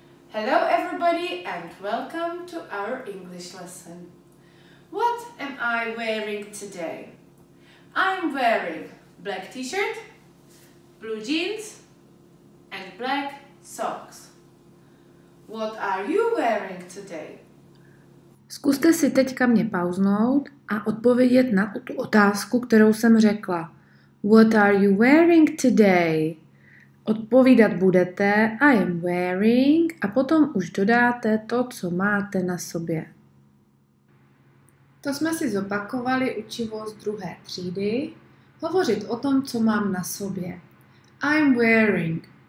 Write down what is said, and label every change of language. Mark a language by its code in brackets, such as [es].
[en] Hello everybody and welcome to our English lesson. What am I wearing today? I'm wearing black t-shirt, blue jeans and black socks. What are you wearing today? [cs] Zkuste si teďka mě pauznout a odpovědět na tu otázku, kterou jsem řekla. [en] What are you wearing today? [cs] Odpovídat budete [en] I am wearing [cs] a potom už dodáte to, co máte na sobě. To jsme si zopakovali učivo z druhé třídy. Hovořit o tom, co mám na sobě. [en] I'm wearing.